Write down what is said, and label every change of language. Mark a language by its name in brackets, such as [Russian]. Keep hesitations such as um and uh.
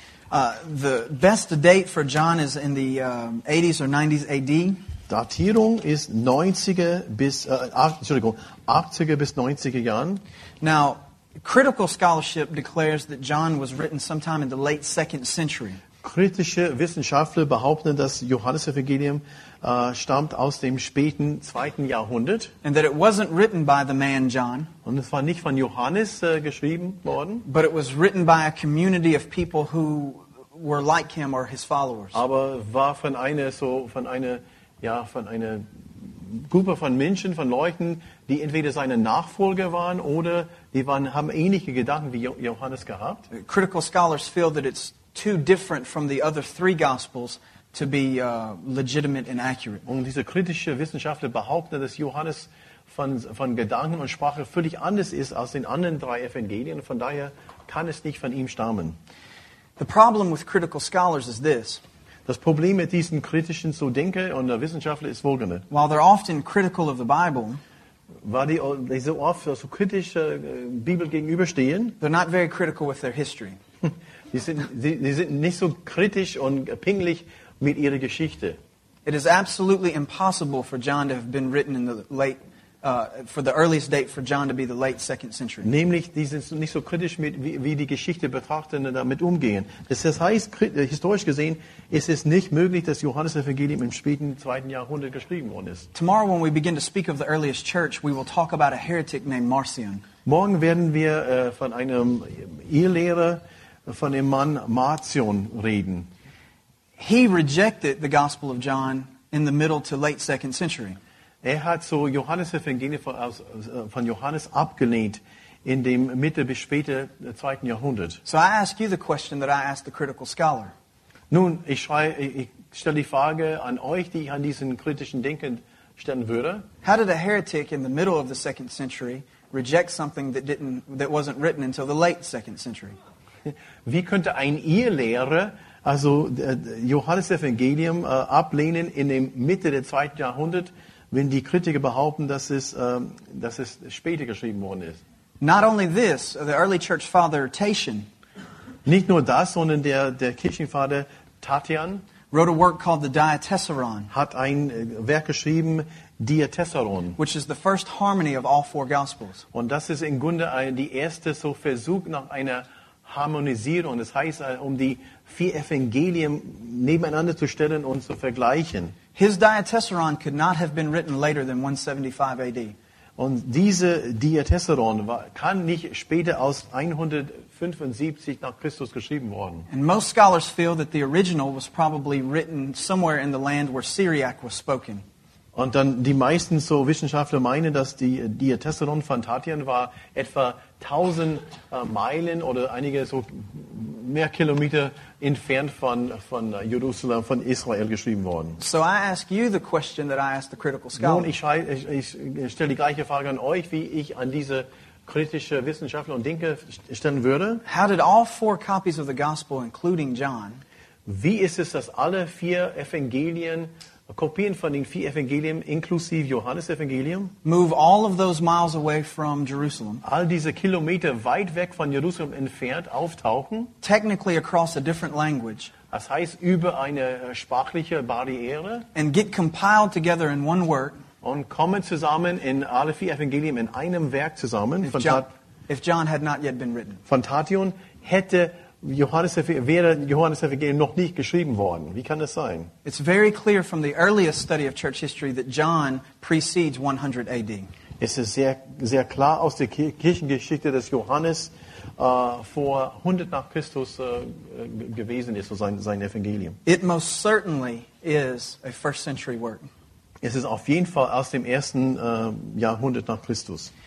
[English] Uh, the best date for John is in the uh, 80s or 90s AD. [German] Datierung ist 90er bis äh, 80er bis 90er Jahren. [English] Now, critical scholarship declares that John was written sometime in the late second century. [German] Kritische Wissenschaftler behaupten, dass Johannes Evangelium äh, stammt aus dem späten zweiten Jahrhundert. [English] And that it wasn't written by the man John. [German] Und es war nicht von Johannes äh, geschrieben worden. [English] But it was written by a community of people who were like him or his followers. [German] Aber war von einer so von einer ja, von einer Gruppe von Menschen, von Leuten, die entweder seine Nachfolger waren oder die waren, haben ähnliche Gedanken wie jo Johannes gehabt. Be, uh, und diese kritische Wissenschaftler behaupten, dass Johannes von, von Gedanken und Sprache völlig anders ist als den anderen drei Evangelien. Von daher kann es nicht von ihm stammen. [English] The problem with critical scholars is this. While they're often critical of the Bible, [German] weil die, so oft so kritisch äh, Bibel gegenüberstehen, [English] they're not very critical with their history. [German] die, sind, die, die sind so kritisch und pinglich mit ihrer Geschichte. [English] It is absolutely impossible for John to have been written in the late uh, for the earliest date for John to be the late second century. [German] Nämlich, die sind nicht so kritisch mit wie, wie die Geschichte betrachten und damit umgehen. Das heißt, historisch gesehen ist es nicht möglich, dass Johannes Evangelium im späten zweiten Jahrhundert geschrieben worden ist. [English] Tomorrow, when we begin to speak of the earliest church, we will talk about a heretic named Marcion. [German] Morgen werden wir von einem Irrlehrer, von dem Mann Marcion reden. [English] He rejected the Gospel of John in the middle to late second century. [German] Er hat so Johannes, Evangelium von, uh, von Johannes abgelehnt in dem Mitte bis späte zweiten Jahrhundert. [English] So I ask you the question that I asked the critical scholar. [German] Nun, ich, schreie, ich, ich stelle die Frage an euch, die ich an diesen kritischen Denken stellen würde. [English] How did a heretic in the middle of the second century reject something that didn't that wasn't written until the late second century? [German] Wie könnte ein Irrlehrer also uh, Johannes Evangelium uh, ablehnen in dem Mitte des zweiten Jahrhunderts? wenn die Kritiker behaupten, dass es, ähm, dass es später geschrieben worden ist. Nicht nur das, sondern der der Kirchenvater Tatian Hat ein Werk geschrieben, Diatessaron, [English] which is the first harmony of all four gospels. [German] Und das ist im Grunde die erste so Versuch nach einer Harmonisierung. Das heißt, um die vier Evangelien nebeneinander zu stellen und zu vergleichen. [English] His Diatessaron could not have been written later than 175 AD. [German] Und diese Diatessaron kann nicht später aus 175 nach Christus geschrieben worden. [English] And most scholars feel that the original was probably written somewhere in the land where Syriac was spoken. [German] Und dann die meisten so Wissenschaftler meinen, dass die Diatessaron Fantatien war etwa 1000 uh, Meilen oder einige so mehr Kilometer entfernt von, von Jerusalem, von Israel geschrieben worden. [English] So I ask you the question that I ask the critical ja. scholar. [German] Nun, ich, ich stelle die gleiche Frage an euch, wie ich an diese kritische Wissenschaftler und Denker stellen würde. [English] How did all four copies of the gospel, including John, [German] wie ist es, dass alle vier Evangelien, Kopien von den vier Evangelien inklusive Johannes Evangelium. [English] Move all of those miles away from Jerusalem. [German] All diese Kilometer weit weg von Jerusalem entfernt auftauchen. [English] Technically across a different language. [German] Das heißt über eine sprachliche Barriere. [English] And get compiled together in one work. [German] Und kommen zusammen in alle vier Evangelien in einem Werk zusammen. [English] If, von Tat John, if John had not yet been written. [German] Von Tatian hätte [English] it's very clear from the earliest study of church history that John precedes 100 AD. [German] Es ist sehr, sehr klar aus der Kirchengeschichte, dass Johannes uh, vor 100 nach Christus, uh, gewesen ist, so sein, sein Evangelium. [English] It most certainly is a first century work. [German] Es ist auf jeden Fall aus dem ersten, uh, Jahrhundert nach Christus.